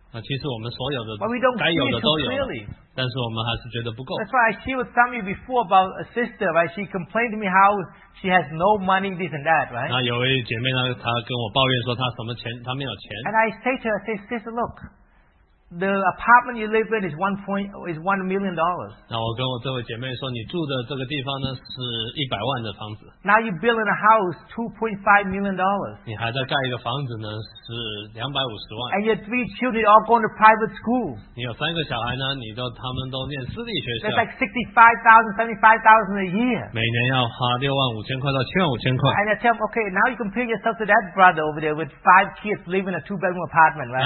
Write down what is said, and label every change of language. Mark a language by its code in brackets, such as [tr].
[zh] 其实我们所有的该有的都有，但是我们还是觉得不够。 [en] That's why I shared with some of you before about a sister, right? She complained to me how she has no money, this and that, right? [zh] 那有位姐妹呢，她跟我抱怨说她没有钱。 [en] And I say to her, I say, sister, look, the apartment you live in is $1 million. [zh] 那我跟我这位姐妹说，你住的这个地方呢是100万的房子。 [en] Now you're building a house $2.5 million. [zh] 你还在盖一个房子呢是250万。 [en] And your three children are all going to private school. [zh] 你有三个小孩呢，他们都念私立学校。 [en] That's like $65,000, $75,000 a year. [zh] 每年要花65,000块到75,000块。 [en] And I tell them, okay, now you compare yourself to that brother over there with five kids living in a two-bedroom apartment, right?